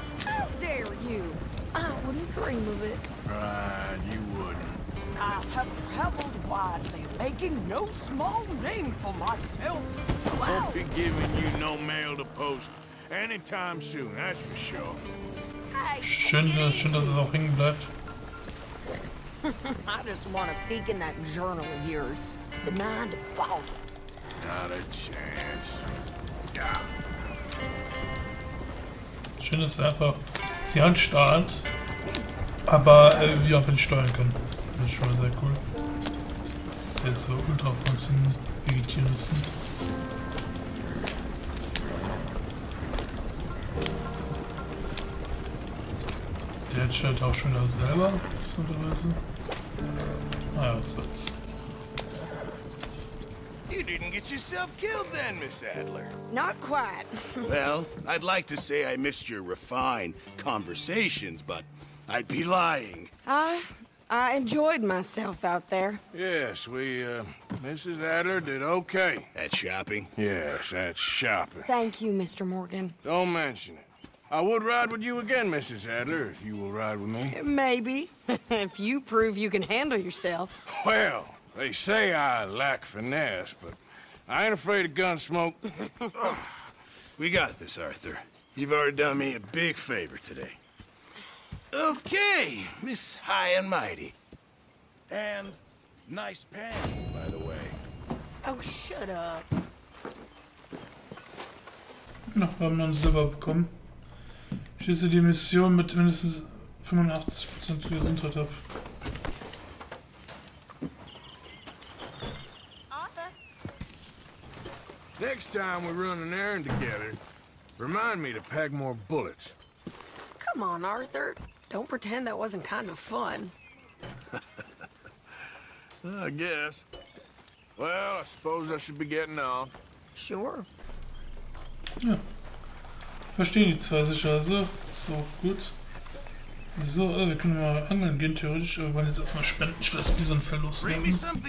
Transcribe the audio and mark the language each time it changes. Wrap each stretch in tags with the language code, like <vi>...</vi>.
<en>How dare you? I wouldn't dream of it. Right, you wouldn't. I have traveled widely, making no small name for myself. Wow. Won't be giving you no mail to post. Anytime soon, that's for sure.</en> <de>Schön, dass es auch hängen bleibt.</de> <en>I just want to peek in that journal of yours. The mind boggles. Not a chance.</en> <de>Schön, dass einfach sie anstarrt, aber wir auch steuern können. Das ist schon sehr cool. Dass sie jetzt so ultra funktionieren, vegetieren müssen. Jetzt scheint auch schon er selber, so der Weise. Ah ja, jetzt wird's.</de> <en>You didn't get yourself killed then, Miss Adler. Not quite. Well, I'd like to say I missed your refined conversations, but I'd be lying. I enjoyed myself out there. Yes, we, Mrs. Adler did okay. At shopping? Yes, at shopping. Thank you, Mr. Morgan. Don't mention it. I would ride with you again, Mrs. Adler, if you will ride with me. Maybe. If you prove you can handle yourself. Well, they say I lack finesse, but I ain't afraid of gun smoke. We got this, Arthur. You've already done me a big favor today. Okay, Miss High and Mighty. And nice pants, by the way. Oh, shut up.</en> <de>Noch haben wir einen Silber bekommen. Schließe die Mission mit mindestens 85% Gesundheit ab.</de> <en>Arthur. Next time we run an errand together, remind me to pack more bullets. Come on, Arthur. Don't pretend that wasn't kind of fun. I guess. Well, I suppose I should be getting off. Sure.</en> <de>Ja. Verstehen die zwei sicher, also. So, gut. So, wir können mal angeln gehen, theoretisch, aber wir wollen jetzt erstmal spenden. Ich will das Bisonverlust nehmen.</de>